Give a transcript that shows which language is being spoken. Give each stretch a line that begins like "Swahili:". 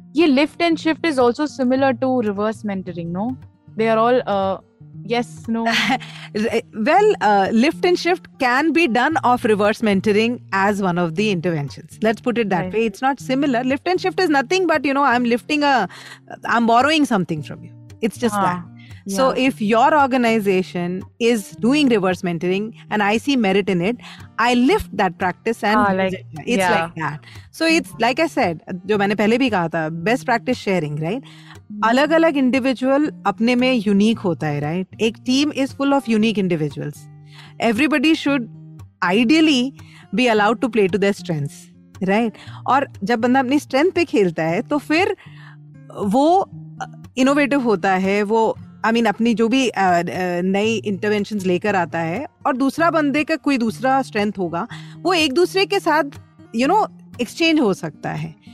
English: ये lift and shift is also similar to reverse mentoring, no? They are all yes no. Well, lift and shift can be done of reverse mentoring as one of the interventions. Let's put it that way. It's not similar. Lift and shift is nothing but you know I am lifting I am borrowing something from you. It's just that. Yeah. So if your organization is doing reverse mentoring and I see merit in it, I lift that practice and it's like that. So it's like I said,
Hindi: jo maine pehle bhi kaha tha,
English: best practice sharing, right?
Hindi: Alag alag individual apne mein unique hota hai, right?
English: Ek team is full of unique individuals. Everybody should ideally be allowed to play to their strengths, right?
Hindi: Aur jab banda apni strength pe khelta hai, to fir wo innovative होता है, वो अपनी जो भी नई interventions लेकर आता है, और दूसरा बंदे का कोई दूसरा स्ट्रेंथ होगा, वो एक दूसरे के साथ यू नो एक्सचेंज हो सकता है.